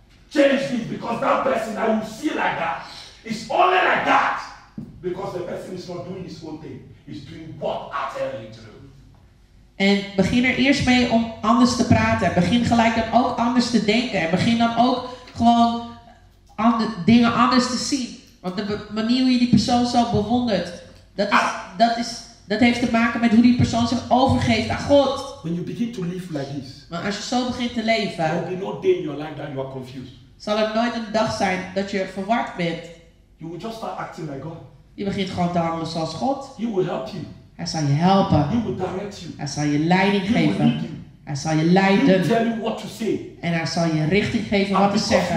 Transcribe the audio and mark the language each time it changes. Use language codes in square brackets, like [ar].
[en] Change it, because that person that you see like that is only like that. Because the person is not doing his own thing, he's doing what I tell him to do. [nl] En begin er eerst mee om anders te praten. Begin gelijk dan ook anders te denken. En begin dan ook gewoon dingen anders te zien. Want de manier hoe je die persoon zo bewondert, dat heeft te maken met hoe die persoon zich overgeeft aan God. [en] When you begin to live like this, [nl] maar als je zo begint te leven, [en] there will be no day in your life that you are confused. [nl] Zal er nooit een dag zijn dat je verward bent. [en] You will just start acting like God. [nl] Je begint gewoon te handelen zoals God. [en] He will help you. [nl] Hij zal je helpen. [en] He will direct you. [nl] Hij zal je leiding [en] He [nl] geven. [en] Will lead you. [nl] Hij zal je leiden. [en] He will tell you what to say. [nl] En hij zal je richting geven [en] and [nl] wat te zeggen.